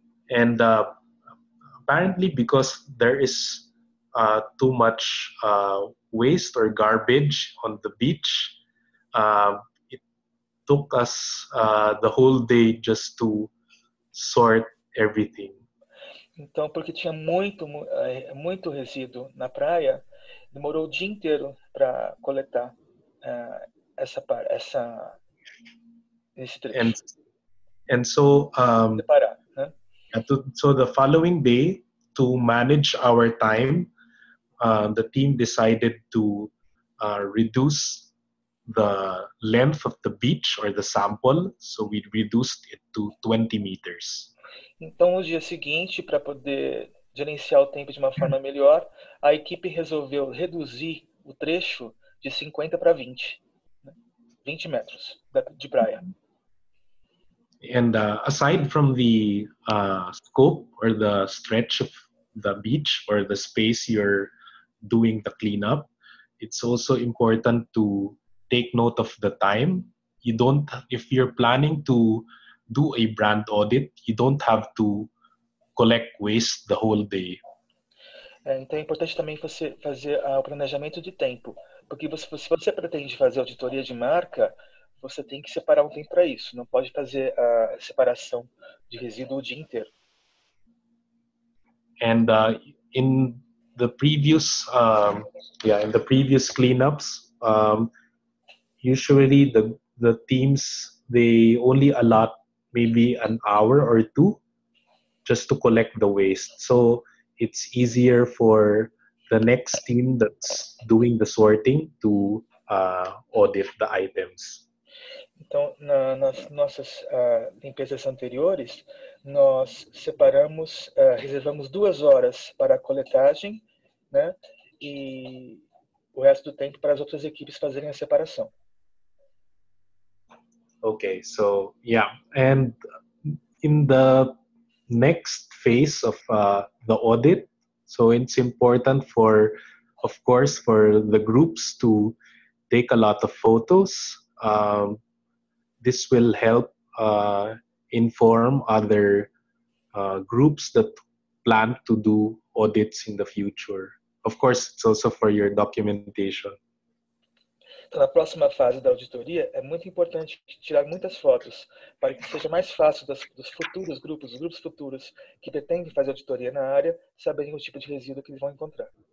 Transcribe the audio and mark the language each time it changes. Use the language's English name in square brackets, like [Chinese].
[English] And apparently because there is too much waste or garbage on the beach, it took us the whole day just to sort everything. [Portuguese] Então, porque tinha muito resíduo na praia, demorou o dia inteiro para coletar esse trecho. [English] So the following day, to manage our time, the team decided to reduce the length of the beach or the sample, so we reduced it to 20 meters. [Portuguese] Então, no dia seguinte, para poder gerenciar o tempo de uma forma melhor, a equipe resolveu reduzir o trecho de 50 para 20, né? 20 metros de praia. [English] And aside from the scope or the stretch of the beach or the space you're doing the cleanup, it's also important to take note of the time. If you're planning to do a brand audit, you don't have to collect waste the whole day. [Portuguese] Então é importante também você fazer o planejamento de tempo, porque se você pretende fazer auditoria de marca, você tem que separar um tempo para isso. Não pode fazer a separação de resíduo o dia inteiro. [English] And in the previous cleanups, usually the teams, they only allot maybe an hour or two just to collect the waste. So it's easier for the next team that's doing the sorting to audit the items. [Portuguese] Então, nas nossas limpezas anteriores, nós separamos, reservamos 2 horas para a coletagem, né? E o resto do tempo para as outras equipes fazerem a separação. [English] Okay, so, yeah. And in the next phase of the audit, so it's important for, of course, for the groups to take a lot of photos. This will help inform other groups that plan to do audits in the future. Of course, it's also for your documentation. [Portuguese] Então, na próxima fase da auditoria, é muito importante tirar muitas fotos para que seja mais fácil dos grupos futuros que pretendem fazer auditoria na área saberem o tipo de resíduo que eles vão encontrar.